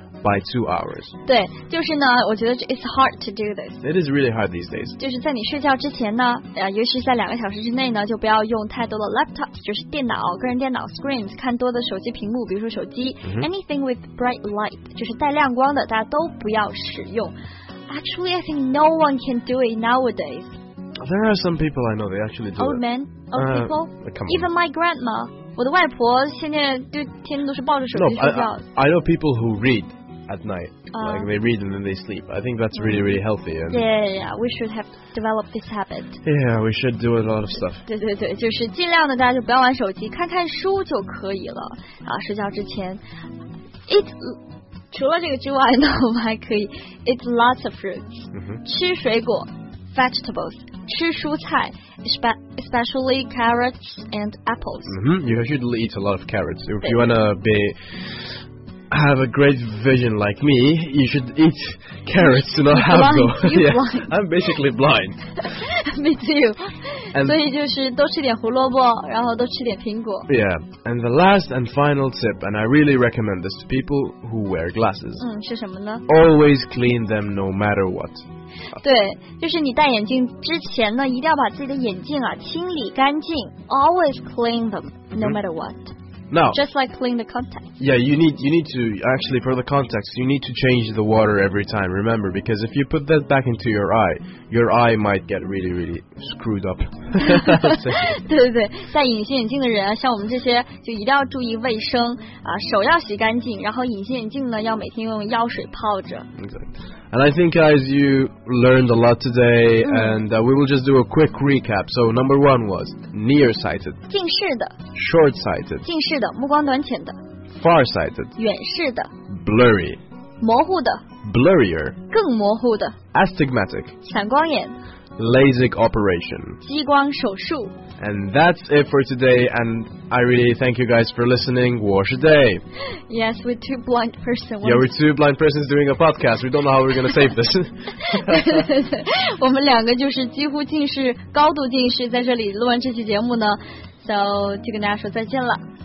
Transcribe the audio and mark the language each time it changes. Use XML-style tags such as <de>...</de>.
<en>by 2 hours.</en> <zh>对，就是呢，我觉得</zh> <en>it's hard to do this. It is really hard these days.</en> <zh>就是在你睡觉之前呢，尤其是在两个小时之内呢，就不要用太多的 laptop， 就是电脑，个人电脑 screens， 看多的手机屏幕，比如说手机、</zh> <en>mm-hmm. anything with bright light，</en> <zh>就是带亮光的，大家都不要使用。</zh> <en>Actually, I think no one can do it nowadays. There are some people I know, they actually do it. Old men, old people, come on. Even my grandma.</en> <zh>我的外婆现在就天天都是抱着手机睡觉。</zh> <en>I know people who read at night. Like they read and then they sleep. I think that's really, really healthy. Yeah, yeah, yeah. We should have developed this habit. Yeah, we should do a lot of stuff.</en> <zh>对对对，就是尽量的大家就不要玩手机，看看书就可以了。睡觉之前。除了这个之外呢，我们还可以</zh> <en>eat lots of fruits、 mm-hmm.</en> <zh>吃水果</zh> <en>vegetables</en> <zh>吃蔬菜</zh> <en>especially carrots and apples、 mm-hmm. you should eat a lot of carrots if you want to be have a great vision like me you should eat carrots to not have blind, to yeah, I'm basically blind me too、and、</en> <zh>所以就是多吃点胡萝卜然后多吃点苹果</zh> <en>yeah and the last and final tip and I really recommend this to people who wear glasses</en> <zh>嗯是什么呢</zh> <en>always clean them no matter what</en> <zh>对就是你戴眼镜之前呢一定要把自己的眼镜啊清理干净</zh> <en>always clean them no matter what Now, just like clean the contacts. Yeah, you need to, actually for the contacts, you need to change the water every time, remember, because if you put that back into your eye might get really, really screwed up.</en> <zh>对对对，戴隐形眼镜的人啊，像我们这些，就一定要注意卫生，啊，手要洗干净，然后隐形眼镜呢，要每天用药水泡着。</zh> <en>Exactly. And I think guys, you learned a lot today, and we will just do a quick recap. So number one was nearsighted.</en> <zh>近视的。</zh> <en>Shortsighted.</en> <zh>近视的，目光短浅的。</zh> <en>Farsighted.</en> <zh>远视的。</zh> <en>Blurry.</en> <zh>模糊的。</zh> <en>Blurrier.</en> <zh>更模糊的。</zh> <en>Astigmatic.</en> <zh>散光眼。</zh> <en>LASIK operation.</en> <zh>激光手术。</zh> <en>And that's it for today, and I really thank you guys for listening.</en> <zh>我是 Dave.</zh> <en>Yes, we're two blind persons. Yeah, we're two blind persons doing a podcast. We don't know how we're going to save this.</en> <zh>对对对，我们两个就是几乎近视，高度近视，在这里录完这期节目呢，so, 就跟大家说再见了。</zh>